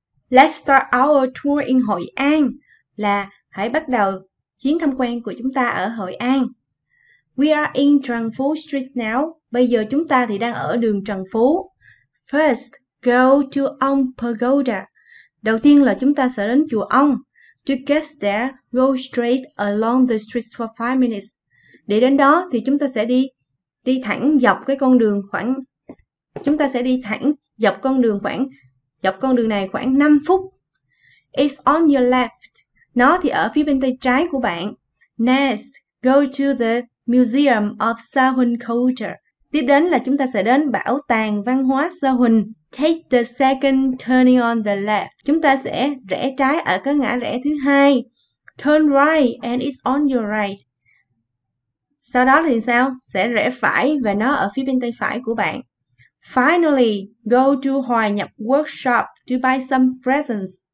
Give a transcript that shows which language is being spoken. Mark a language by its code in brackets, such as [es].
[en] Let's start our tour in Hội An [vi] là hãy bắt đầu chuyến tham quan của chúng ta ở Hội An. [en] We are in Trần Phú Street now. [vi] Bây giờ chúng ta thì đang ở đường Trần Phú. [en] First, go to Ong Pagoda. [vi] Đầu tiên là chúng ta sẽ đến chùa Ong. [en] To get there, go straight along the street for 5 minutes. [vi] Để đến đó thì chúng ta sẽ đi thẳng dọc cái con đường khoảng chúng ta sẽ đi thẳng dọc con đường khoảng dọc con đường này khoảng 5 phút. [en] It's on your left. [vi] Nó thì ở phía bên tay trái của bạn. [en] Next, go to the Museum of Sakhwen Culture. [vi] Tiếp đến là chúng ta sẽ đến Bảo tàng Văn hóa Sakhwen. [en] Take the second turning on the left. [vi] Chúng ta sẽ rẽ trái ở cái ngã rẽ thứ hai. [en] Turn right and it's on your right. [vi] Sau đó thì sao? Sẽ rẽ phải và nó ở phía bên tay phải của bạn. [en] Finally, go to Hòa Nhập Workshop to buy some presents.